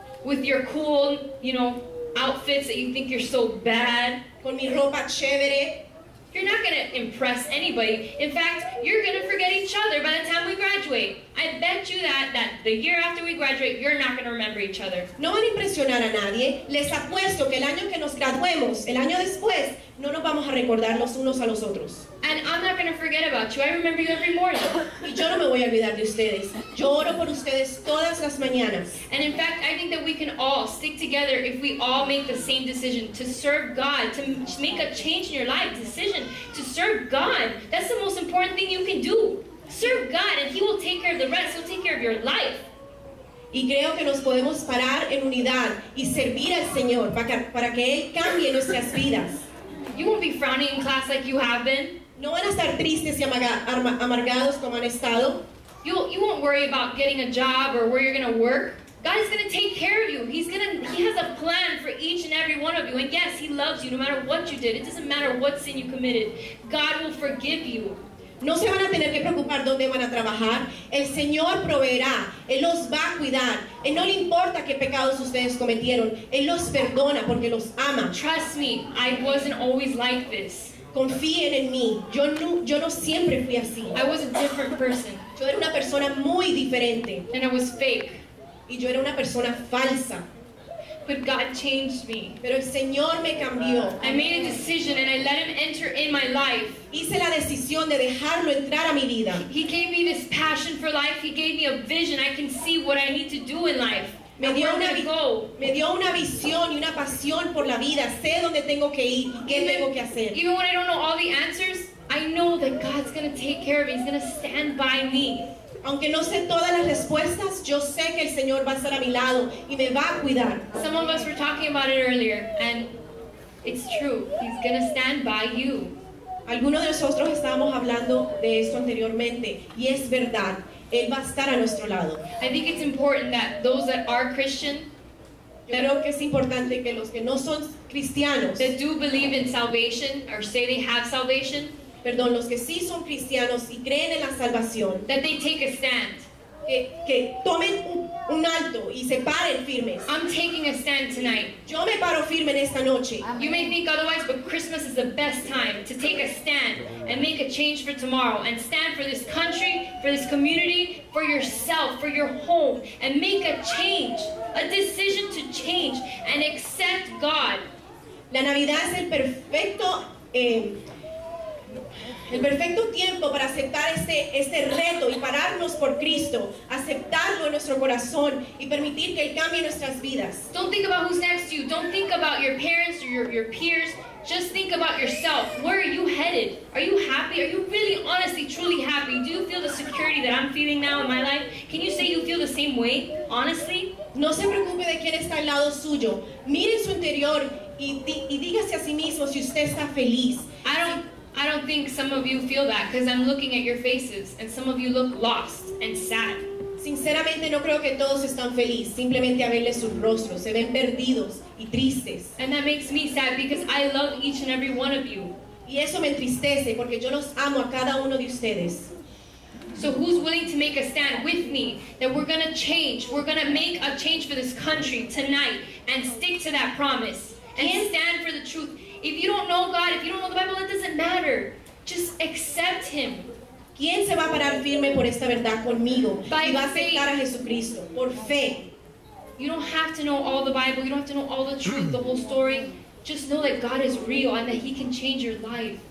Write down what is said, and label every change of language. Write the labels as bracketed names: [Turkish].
[English] with your cool, you know, outfits that you think you're so bad. [Spanish] Con mi ropa chévere. [English] You're not going to impress anybody. In fact, you're going to forget each other by the time we graduate. I bet you that the year after we graduate, you're not going to remember each other. [Spanish] No van a impresionar a nadie. Les apuesto que el año que nos graduemos, el año después, no nos vamos a recordar los unos a los otros. [English] And I'm not going to forget about you. I remember you every morning. [Spanish] Y yo no me voy a olvidar de ustedes. Yo oro por ustedes todas las mañanas. [English] And in fact, I think that we can all stick together if we all make the same decision to serve God, to make a change in your life, decision to serve God. That's the most important thing you can do. Serve God and He will take care of the rest. He'll take care of your life. [Spanish] Y creo que nos podemos parar en unidad y servir al Señor para que Él cambie nuestras vidas. [English] You won't be frowning in class like you have been. [Spanish] No van a estar tristes y amargados como han estado. [English] You won't worry about getting a job or where you're going to work. God is going to take care of you. He has a plan for each and every one of you. And yes, He loves you no matter what you did. It doesn't matter what sin you committed. God will forgive you. [Spanish] No se van a tener que preocupar dónde van a trabajar. El Señor proveerá. Él los va a cuidar. Él no le importa qué pecados ustedes cometieron. Él los perdona porque los ama. [English] Trust me, I wasn't always like this. [Spanish] Confíen en mí. Yo no siempre fui así. [English] I was a different person. [Spanish] Yo era una persona muy diferente. [English] And I was fake. [Spanish] Y yo era una persona falsa. [English] But God changed me. [Spanish] Pero el Señor me cambió. [English] I made a decision and I let Him enter in my life. [Spanish] Hice la decisión de dejarlo entrar a mi vida. [English] He gave me this passion for life. He gave me a vision. I can see what I need to do in life. [Spanish] Me dio una visión y una pasión por la vida. Sé dónde tengo que ir y qué tengo que hacer. [English] Even when I don't know all the answers, I know that God's going to take care of me. He's going to stand by me. [Spanish] Aunque no sé todas las respuestas, yo sé que el Señor va a estar a mi lado y me va a cuidar. [English] Some of us were talking about it earlier, and it's true. He's going to stand by you. [Spanish] Algunos de nosotros estábamos hablando de esto anteriormente, y es verdad. Él va a estar a nuestro lado. [English] I think it's important that those that are Christian, [Spanish] creo que es importante que los que no son cristianos, [English] that do believe in salvation or say they have salvation, [Spanish] perdón, los que sí son cristianos y creen en la salvación, [English] that they take a stand, [Spanish] que tomen un, un alto y se paren firmes. [English] I'm taking a stand tonight. [Spanish] Yo me paro firme en esta noche. [English] You may think otherwise, but Christmas is the best time to take a stand and make a change for tomorrow and stand for this country, for this community, for yourself, for your home, and make a change, a decision to change and accept God. [Spanish] La Navidad es el perfecto tiempo para aceptar este reto y pararnos por Cristo, aceptarlo en nuestro corazón y permitir que Él cambie nuestras vidas. [English] Don't think about who's next to you. Don't think about your parents or your peers. Just think about yourself. Where are you headed? Are you happy? Are you really, honestly, truly happy? Do you feel the security that I'm feeling now in my life? Can you say you feel the same way, honestly? [Spanish] No se preocupe de quién está al lado suyo. Mire su interior y dígase a sí mismo si usted está feliz. [English] I don't think some of you feel that because I'm looking at your faces and some of you look lost and sad. [Spanish] Sinceramente, no creo que todos están felices. Simplemente a verles sus rostros, se ven perdidos y tristes. [English] And that makes me sad because I love each and every one of you. [Spanish] Y eso me entristece porque yo los amo a cada uno de ustedes. [English] So who's willing to make a stand with me that we're going to change, we're going to make a change for this country tonight and stick to that promise and stand for the truth? If you don't know God, if you don't know the Bible, it doesn't matter. Just accept Him. [Spanish] ¿Quién se va a parar firme por esta verdad conmigo? By y va a aceptar a Jesucristo por fe. [English] You don't have to know all the Bible. You don't have to know all the truth, the whole story. Just know that God is real and that He can change your life.